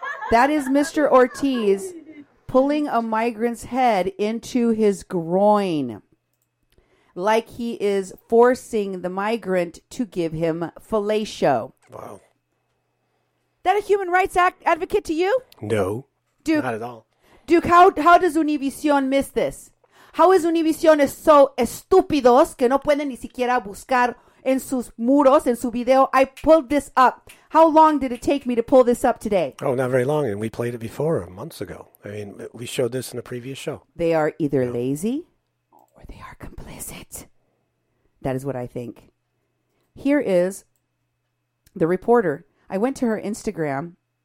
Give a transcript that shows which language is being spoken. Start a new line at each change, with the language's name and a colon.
English: That is Mr. Ortiz pulling a migrant's head into his groin like he is forcing the migrant to give him fellatio. Wow. That a human rights advocate to you? No. Duke, not at all. Duke, how does Univision miss this? How is Univision so
Spanish: estúpidos que no pueden ni siquiera buscar en sus muros, en su video?
English: I pulled this up. How long did it take me to pull this up today? Oh, not very long. And we played it before, months ago. I mean, we showed this in a previous show. They are either lazy or they are complicit. That is what I think. Here is the reporter. I went to her Instagram.